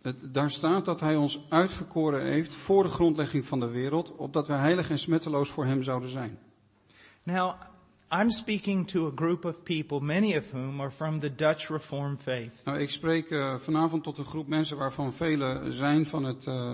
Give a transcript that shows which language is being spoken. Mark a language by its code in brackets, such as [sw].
[nl] Daar staat dat hij ons uitverkoren heeft voor de grondlegging van de wereld, opdat we heilig en smetteloos voor hem zouden zijn. [en] Now, I'm speaking to a group of people, many of whom are from the Dutch Reformed faith. [nl] Nou, ik spreek vanavond tot een groep mensen waarvan velen zijn van het...